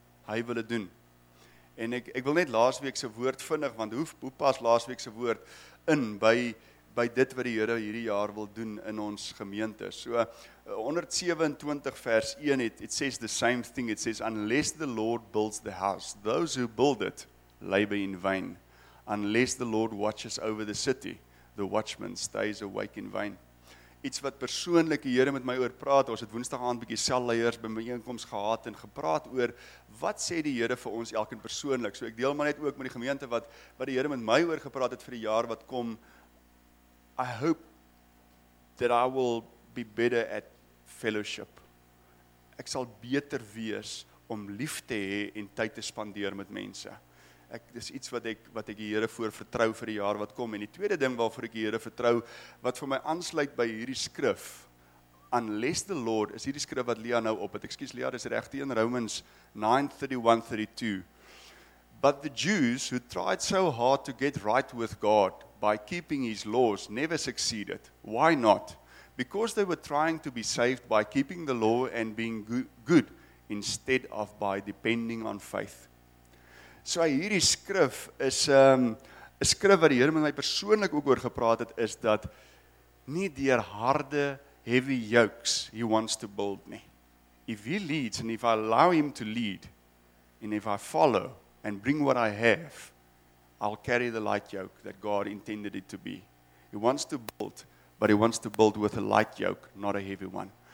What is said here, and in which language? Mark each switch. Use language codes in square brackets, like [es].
[af] Hy wil dit doen. En ek wil net laasweek se woord vinnig, want hoe pas laasweek se woord in by dit wat die Here hierdie jaar wil doen in ons gemeente. [en] So 127 vers 1, it says the same thing. It says, unless the Lord builds the house, those who build it labor in vain. Unless the Lord watches over the city, the watchman stays awake in vain. [af] Iets wat persoonlik die Here met my oor praat, ons het woensdag aand bietjie selleiers by my einkoms gehad en gepraat oor wat sê die Here vir ons elkeen persoonlik. So ek deel maar net ook met die gemeente wat die Here met my oor gepraat het vir die jaar wat kom. [en] I hope that I will be better at fellowship. [af] Ek sal beter wees om lief te hê en tyd te spandeer met mense. Dis iets wat ek die Here voor vertrou vir die jaar wat kom. En die tweede ding waarvoor ek die Here vertrou, wat vir my aansluit by hierdie skrif, [en] unless the Lord, [af] is hierdie skrif wat Lea nou op het. [en] Excuse Lea, [af] dis regte een, Romans 9:31-32. [en] But the Jews who tried so hard to get right with God by keeping his laws never succeeded. Why not? Because they were trying to be saved by keeping the law and being good instead of by depending on faith. [af] So hierdie skrif is 'n skrif wat die Here met my persoonlik ook oor gepraat het, is dat nie deur harde, [en] heavy yokes he wants to build [af] nie. [en] If he leads and if I allow him to lead and if I follow and bring what I have, I'll carry the light yoke that God intended it to be. He wants to build, but he wants to build with a light yoke, not a heavy one.